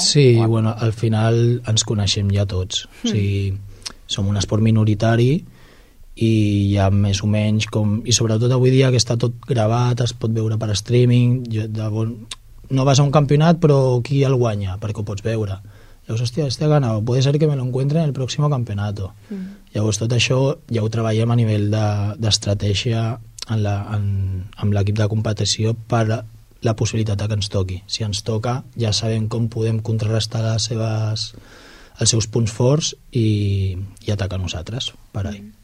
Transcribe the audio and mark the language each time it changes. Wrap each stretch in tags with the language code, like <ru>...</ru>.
<ca>Sí, bueno, al final ens coneixem ja tots. O sigui, som un esport minoritari, i hi ha més o menys com... I sobretot avui dia, que està tot gravat, es pot veure per streaming, no vas a un campionat, però qui el guanya? Perquè ho pots veure. Llavors, hòstia,</ca> <es>este ha ganado. Puede ser que me lo encuentre en el próximo campeonato. Mm.</es> <ca>Llavors, tot això ja ho treballem a nivell d'estratègia amb l'equip de competició per la possibilitat que ens toqui. Si ens toca, ja sabem com podem contrarrestar els seus punts forts i atacar nosaltres, per ahí.</ca>